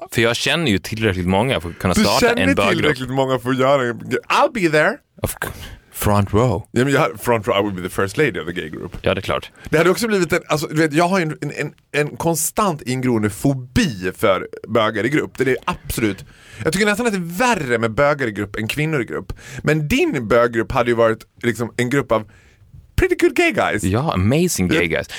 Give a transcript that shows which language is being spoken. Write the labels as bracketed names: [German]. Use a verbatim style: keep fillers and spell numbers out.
[Swedish] jag, för jag känner ju tillräckligt många för att kunna du starta en böggrupp. Du känner tillräckligt många för att göra en... [English] I'll be there. Of, Front row. [Swedish] Ja, men jag, [English] front row, I would be the first lady of the gay group. [Swedish] Ja, det är klart. Det hade också blivit en, alltså, du vet, jag har en, en, en, en konstant ingroende fobi för bögar i grupp. Det är absolut, jag tycker nästan att det är värre med bögar i grupp än kvinnor i grupp. Men din böggrupp hade ju varit liksom en grupp av [English] pretty good gay guys. Ja, amazing gay guys.